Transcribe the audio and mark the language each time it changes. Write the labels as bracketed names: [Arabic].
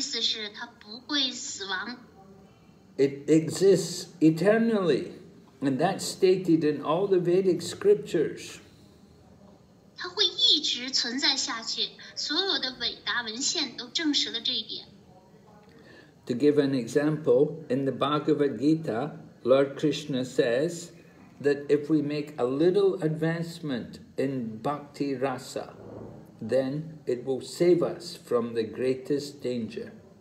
[Chinese] 它会一直持续下去，在梵文当中，它被称之为阿姆利塔，意思是它不会死亡。 [English] It exists eternally, and that's stated in all the Vedic scriptures. [Chinese] 它会一直存在下去，所有的伟达文献都证实了这一点。 [English] To give an example, in the Bhagavad Gita, Lord Krishna says that if we make a little advancement in bhakti rasa, then it will save us from the greatest danger.